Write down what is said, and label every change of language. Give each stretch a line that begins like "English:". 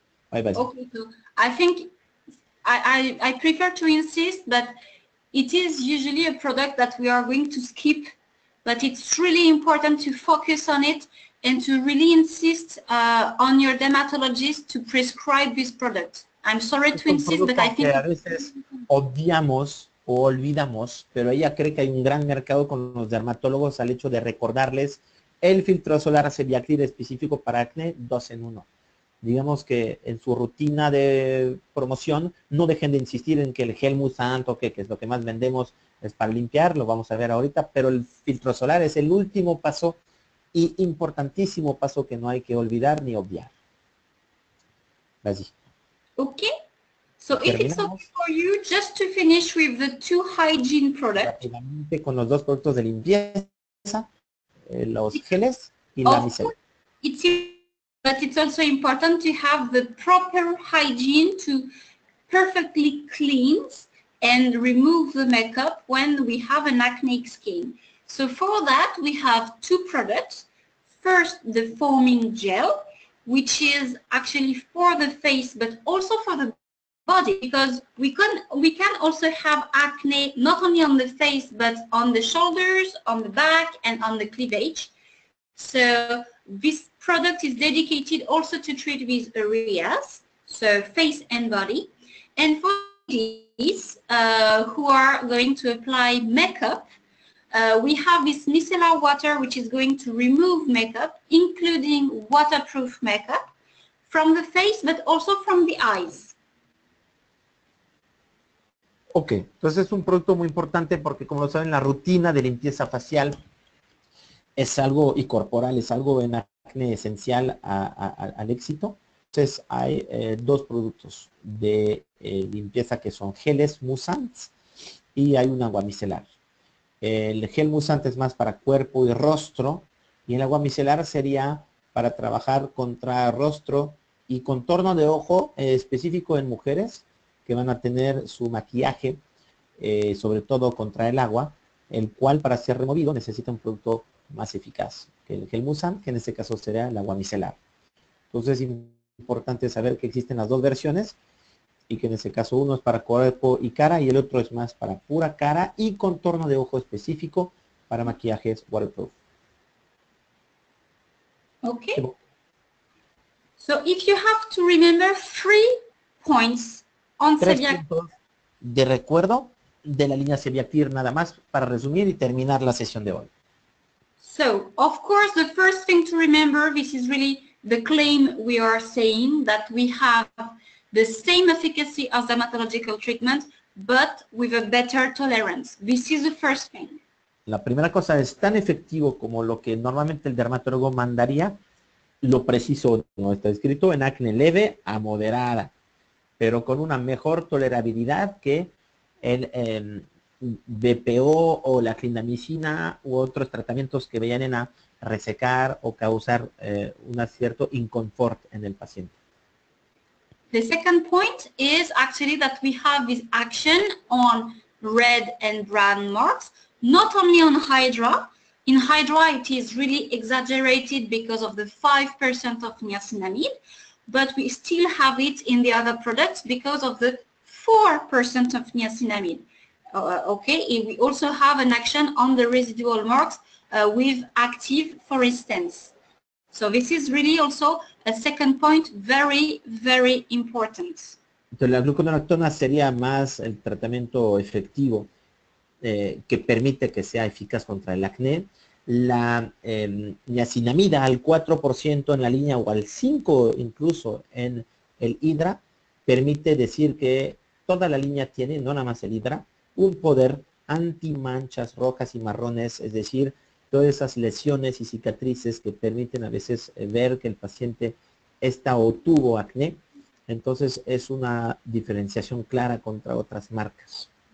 English: Bye bye. Okay, so I think I prefer to insist, but it is usually a product that we are going to skip, but it's really important to focus on it and to really insist on your dermatologist to prescribe this product. I'm sorry to insist, but I think
Spanish: a veces obviamos o olvidamos, pero ella cree que hay un gran mercado con los dermatólogos al hecho de recordarles el filtro solar Celiacrid específico para acné 2 en 1. Digamos que en su rutina de promoción no dejen de insistir en que el gel musante, que es lo que más vendemos, es para limpiar, lo vamos a ver ahorita, pero el filtro solar es el último paso y importantísimo paso que no hay que olvidar ni obviar. Así. Ok.
English: So if it's okay for you, just to finish with the two hygiene products.
Spanish: Rápidamente con los dos productos de limpieza, los geles y la micelina.
English: But it's also important to have the proper hygiene to perfectly cleanse and remove the makeup when we have an acneic skin. So for that, we have two products. First, the foaming gel, which is actually for the face, but also for the body, because we can also have acne not only on the face, but on the shoulders, on the back, and on the cleavage. So this product is dedicated also to treat these areas, so face and body. And for ladies who are going to apply makeup, we have this micellar water, which is going to remove makeup, including waterproof makeup, from the face, but also from the eyes.
Spanish: Ok, entonces es un producto muy importante porque, como lo saben, la rutina de limpieza facial es algo, y corporal, es algo en acné esencial al éxito. Entonces hay dos productos de limpieza que son geles musantes y hay un agua micelar. El gel musante es más para cuerpo y rostro, y el agua micelar sería para trabajar contra rostro y contorno de ojo específico en mujeres que van a tener su maquillaje, sobre todo contra el agua, el cual para ser removido necesita un producto más eficaz que el gel musan, que en este caso sería el agua micelar. Entonces es importante saber que existen las dos versiones y que en este caso uno es para cuerpo y cara y el otro es más para pura cara y contorno de ojo específico para maquillajes waterproof. Ok.
English: So if you have to remember 3 points on Celiacrid.
Spanish: De recuerdo de la línea Celiacrid, nada más para resumir y terminar la sesión de hoy.
English: So, of course, the first thing to remember, this is really the claim we are saying, that we have the same efficacy as dermatological treatment, but with a better tolerance. This is the first thing.
Spanish: La primera cosa es tan efectivo como lo que normalmente el dermatólogo mandaría, lo preciso no está escrito, en acné leve a moderada. pero con una mejor tolerabilidad que el BPO o la clindamicina u otros tratamientos que vayan a resecar o causar un cierto inconfort en el paciente.
English: The second point is actually that we have this action on red and brown marks, not only on Hydra. In Hydra, it is really exaggerated because of the 5% of niacinamide, but we still have it in the other products because of the 4% of niacinamide. Okay, we also have an action on the residual marks with active, for instance. So this is really also a second point, very, very important.
Spanish: Entonces, la gluconolactona sería más el tratamiento efectivo que permite que sea eficaz contra el acné. La niacinamida al 4% en la línea o al 5% incluso en el Hydra permite decir que toda la línea tiene, no nada más el Hydra, un poder anti-manchas rojas y marrones, es decir, todas esas lesiones y cicatrices que permiten a veces ver que el paciente está o tuvo acné, entonces es una diferenciación clara contra otras marcas.